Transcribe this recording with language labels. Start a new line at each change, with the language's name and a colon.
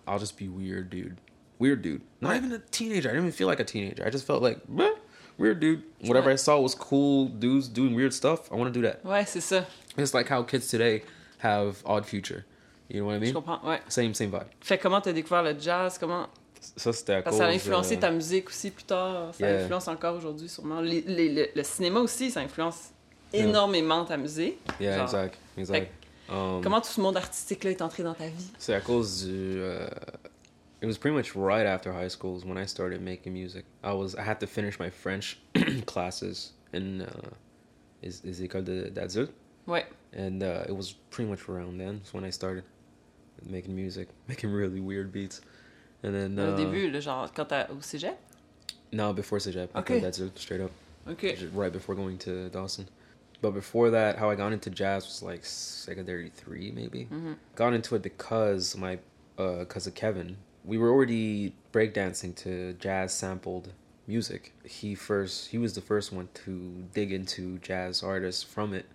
English: I'll just be weird, dude. Weird dude. Not even a teenager. I didn't even feel like a teenager. I just felt like, meh, weird dude. Whatever I saw was cool dudes doing weird stuff. I want to do that. Why, sister? It's like how kids today have Odd Future. You know what I mean?
French: Je comprends, ouais.
English: Same vibe.
French: Fait comment t'as découvert le jazz? Comment? Ça, c'était à cause... Ça a influencé ta musique aussi plus tard. Ça influence encore aujourd'hui, sûrement. Le cinéma aussi, ça influence énormément ta musique. Yeah, genre. Exact. Exact. Fait, comment tout ce monde artistique-là est entré dans ta vie? C'est à cause du...
English: It was pretty much right after high school when I started making music. I had to finish my French classes in is école d'adulte.
French: Ouais.
English: And it was pretty much around then. It's when I started making music, making really weird beats. And then
French: au début, le genre quand t'as au cégep?
English: No, before cégep. Okay. That's it, straight up. Okay. Right before going to Dawson. But before that, how I got into jazz was like secondary three, maybe. Mm-hmm. Got into it because my cousin Kevin. We were already breakdancing to jazz sampled music. He was the first one to dig into jazz artists from it.